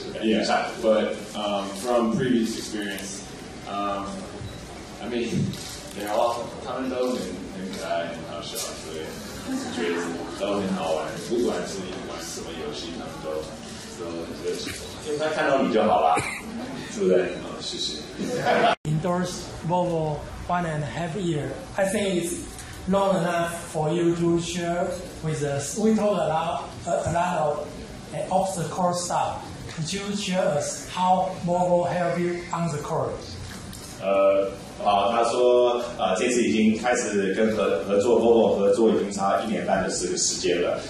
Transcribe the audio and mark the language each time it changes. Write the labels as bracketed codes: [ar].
[en] Yeah， but from previous experience。 I mean, they're all, [zh] 他们都很可爱很好笑，所以觉得都很好玩。不管是你玩什么游戏，他们都很热情。应该看到你就好了，是不是？哦，谢谢。 [en] Endorse Volvo 1.5 year, I think it's long enough for you to share with us. We talk a lot of off the course stuff. Could you share us how Volvo help you on the course? [zh] 他说这次已经开始跟合作 Volvo 合作已经差一年半的时间了。